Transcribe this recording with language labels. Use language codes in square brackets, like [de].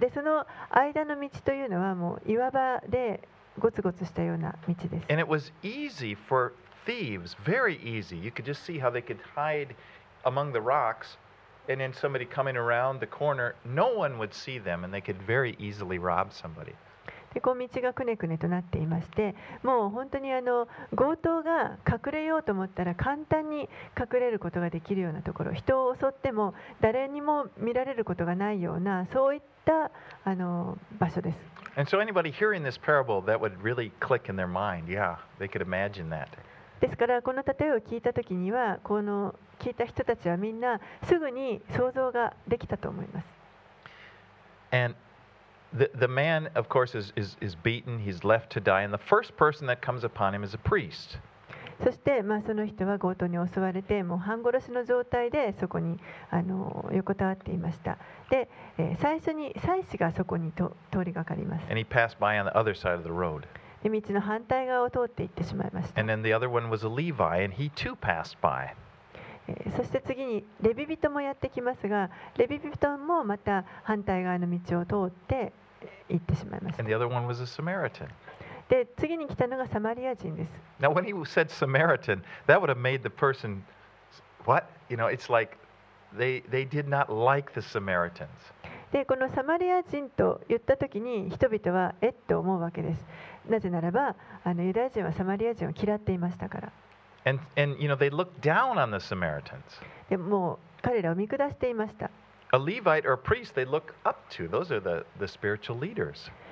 [ja] でその間の道というのはもう岩場でゴツゴツしたような道です。 [en] And it was easy for thieves, very easy. You could just see how they could hide among the rocks, and then somebody coming around the corner, no one would see them, and they could very easily rob somebody. [ja] でこう道がくねくねとなっていまして、もう本当に強盗が隠れようと思ったら簡単に隠れることができるようなところ、人を襲っても誰にも見られることがないような、そういった場所です。 [en] And so anybody hearing this parable, that would really click in their mind. Yeah, they could imagine that. [ja] ですからこの例えを聞いたときには、この聞いた人たちはみんなすぐに想像ができたと思います。 [en] AndThe man, of course, is beaten. He's left to die, and the first person that comes upon him is a priest. [ja] そして、まあ、その人は強盗に襲われて、もう半殺しの状態でそこに横たわっていました。で、最初に祭司がそこに通りかかります。 [en] And he passed by on the other side of the road. [ja] で、道の反対側を通って行ってしまいました。 [en] And then the other one was a Levi, and he too passed by. [ja] そして次にレビ人もやってきますが、レビ人もまた反対側の道を通って行ってしまいました。 [en] And the other one was a Samaritan. [ja] で次に来たのがサマリア人です。 [en] Now when he said Samaritan, that would have made the person, what? You know, it's like they did not like the Samaritans. [ja] でこのサマリア人と言った時に人々はえっと思うわけです。なぜならばあのユダヤ人はサマリア人を嫌っていましたから。 [en] and you know they looked down on the Samaritans. [ja] でもう彼らを見下していました。 [en] A Levite or a priest they look up to. Those are the spiritual leaders.